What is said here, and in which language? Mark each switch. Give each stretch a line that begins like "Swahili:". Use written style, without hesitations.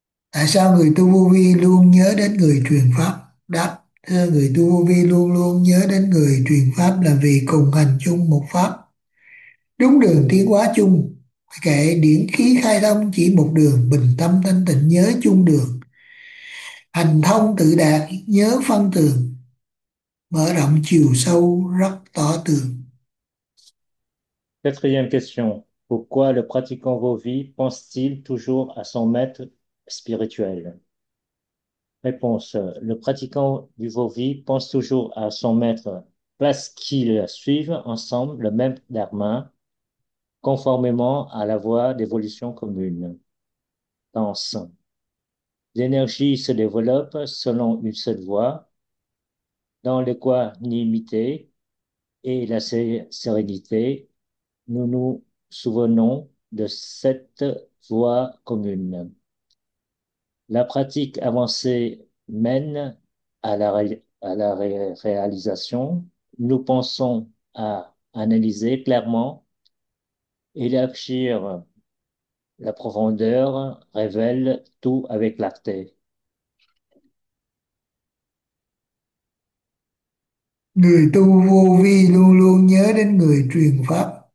Vietnamese: Tại sao người tu vô vi luôn nhớ đến người truyền pháp? Đáp, thưa người tu vô vi luôn luôn nhớ đến người truyền pháp là vì cùng hành chung một pháp, đúng đường tiến hóa chung. Kệ điển khí khai thông chỉ một đường, bình tâm thanh tịnh nhớ chung đường. Hành thông tự đạt nhớ phân tường, mở rộng chiều sâu rất tỏ tường.
French: Quatrième question. Pourquoi le pratiquant vô vi pense-t-il toujours à son maître spirituel? Réponse. Le pratiquant du vô vi pense toujours à son maître parce qu'ils suivent ensemble le même dharma conformément à la voie d'évolution commune. Dans l'énergie se développe selon une seule voie, dans l'équanimité et la sérénité. Nous nous souvenons de cette voie commune. La pratique avancée mène à la réalisation. Nous pensons à analyser clairement, élargir la profondeur, révèle tout avec clarté.
Vietnamese: Người tu vô vi luôn luôn nhớ đến người truyền pháp.